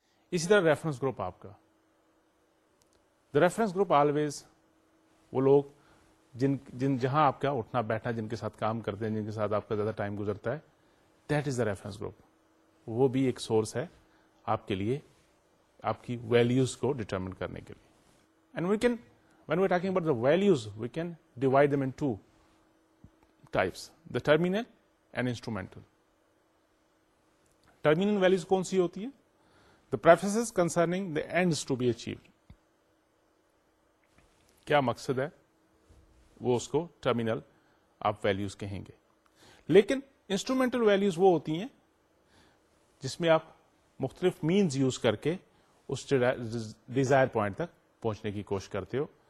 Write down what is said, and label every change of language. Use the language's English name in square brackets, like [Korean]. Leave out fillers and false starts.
[Urdu] اسی طرح reference group آپ کا, دا ریفرنس گروپ آلویز وہ لوگ جن جہاں آپ کا اٹھنا بیٹھنا, جن کے ساتھ کام کرتے ہیں, جن کے ساتھ آپ کا زیادہ ٹائم گزرتا ہے, [English] That is the reference group. [Urdu] وہ بھی ایک سورس ہے آپ کے لیے, آپ کی ویلیوز کو ڈیٹرمن کرنے کے لیے. [English] And when we talking about the values, we can divide them in two types, the terminal and instrumental. [Urdu] Terminal values کون سی ہوتی ہیں؟ [English] The preferences concerning the ends to be achieved. [Urdu] کیا مقصد ہے وہ اس کو ٹرمینل آپ ویلیوز کہیں گے. لیکن انسٹرومینٹل ویلیوز وہ ہوتی ہیں جس میں آپ مختلف مینز یوز کر کے اس ڈیزائر پوائنٹ تک پہنچنے کی کوشش کرتے ہو.